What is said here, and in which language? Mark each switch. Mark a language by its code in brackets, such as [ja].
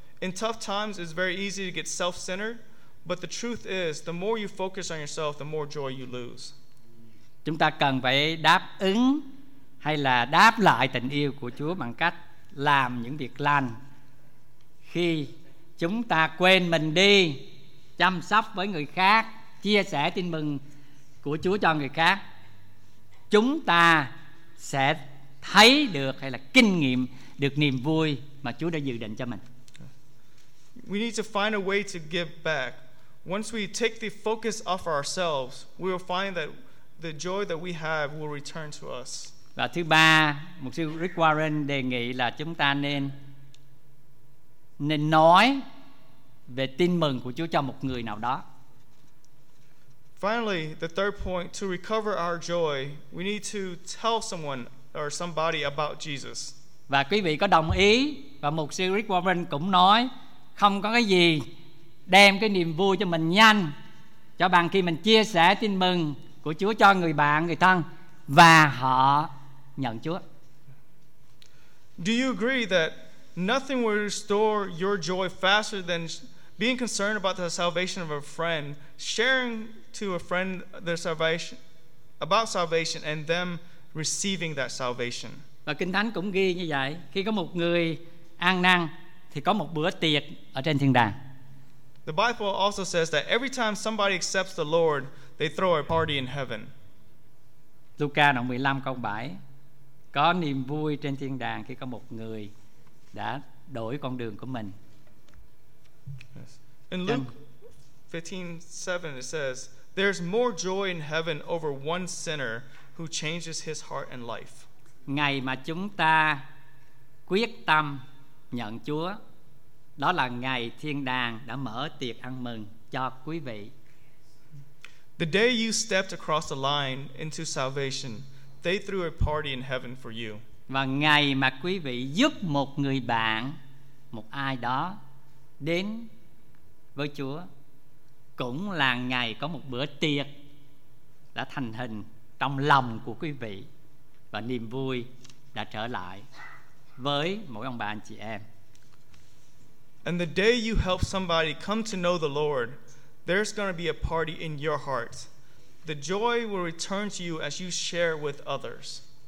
[en] In tough times it's very easy to get self-centered, but the truth is, the more you focus on yourself, the more joy you lose." [vi] Chúng ta cần phải đáp ứng hay là đáp lại tình yêu của Chúa bằng cách làm những việc lành. Khi chúng ta quên mình đi, chăm sóc với người khác, chia sẻ tin mừng của Chúa cho người khác, chúng ta sẽ thấy được hay là kinh nghiệm được niềm vui mà Chúa đã dự định cho mình. [en] We need to find a way to give back. Once we take the focus off ourselves, we will find that the joy that we have will return to us. [vi] Và thứ ba, mục sư Rick Warren đề nghị là chúng ta nên nói về tin mừng của Chúa cho một người nào đó. [en] Finally, the third point to recover our joy, we need to tell someone or somebody about Jesus. [vi] Và quý vị có đồng ý, và mục sư Rick Warren cũng nói không có cái gì đem cái niềm vui cho mình nhanh cho bằng khi mình chia sẻ tin mừng của Chúa cho người bạn, người thân và họ nhận Chúa. [en] Do you agree that nothing will restore your joy faster than being concerned about the salvation of a friend, sharing to a friend their salvation, about salvation and them receiving that salvation? [vi] Và Kinh Thánh cũng ghi như vậy, khi có một người ăn năn thì có một bữa tiệc ở trên thiên đàng. [en] The Bible also says that every time somebody accepts the Lord, they throw a party in heaven. [vi] Luca đoạn 15 câu 7. Có niềm vui trên thiên đàng khi có một người đã đổi con đường của mình. [en] In Luke 15:7 it says, "There's more joy in heaven over one sinner who changes his heart and life." [vi] Ngày mà chúng ta quyết tâm nhận Chúa, đó là ngày thiên đàng đã mở tiệc ăn mừng cho quý vị. [en] The day you stepped across the line into salvation, they threw a party in heaven for you. [vi] Và ngày mà quý vị giúp một người bạn, một ai đó đến với Chúa, cũng là ngày có một bữa tiệc đã thành hình trong lòng của quý vị và niềm vui đã trở lại với mỗi ông bà anh chị em. [en] And the day you help somebody come to know the Lord, there's going to be a party in your heart. The joy will return to you as you share with others.